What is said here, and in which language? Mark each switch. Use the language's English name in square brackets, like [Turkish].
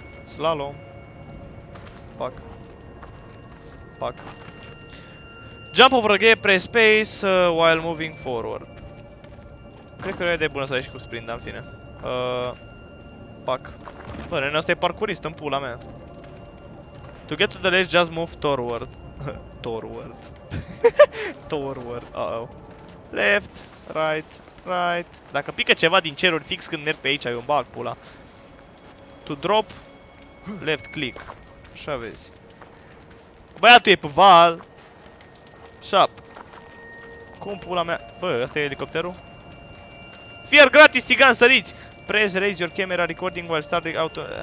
[English] Slalom. Fuck. Fuck. Jump over the gap, press space while moving forward. [Romanian] Cred că nu e de bună să ai și cu sprint, dar în fine. Fuck. Bă, nenea asta e parcurist în pula mea. [English] To get to the ledge, just move toward. Toward. Toward, uh-oh. Left, right, right. [Romanian] Dacă pică ceva din ceruri fix când merg pe aici, eu îmi bag pula. [English] To drop, left click. [Romanian] Așa vezi. Băiatul e pe val. Sup. Cum pula mea? Bă, ăsta e elicopterul? Fier gratis, țigan, săriți! [English] Press raise your camera recording while starting auto...